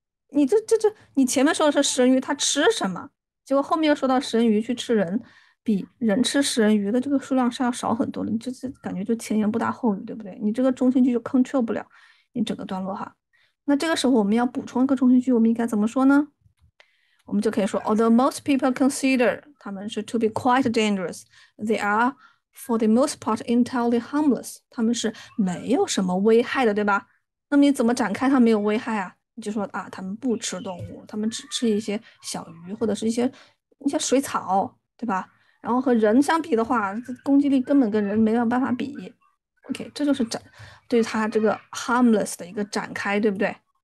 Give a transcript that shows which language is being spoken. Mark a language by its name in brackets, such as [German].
[Chinese] 你这，你前面说的是食人鱼它吃什么，结果后面又说到食人鱼去吃人，比人吃食人鱼的这个数量是要少很多的。你这感觉就前言不搭后语，对不对？你这个中心句就 control 不了你整个段落哈。那这个时候我们要补充一个中心句，我们应该怎么说呢？我们就可以说， [English] although most people consider [Chinese] 他们是 [English] to be quite dangerous，they are for the most part entirely harmless。 [Chinese] 他们是没有什么危害的，对吧？那么你怎么展开它没有危害啊？就说啊，他们不吃动物，他们只吃一些小鱼或者是一些水草，对吧？然后和人相比的话，攻击力根本跟人没有办法比。 OK，这就是对他这个 harmless 的一个展开，对不对？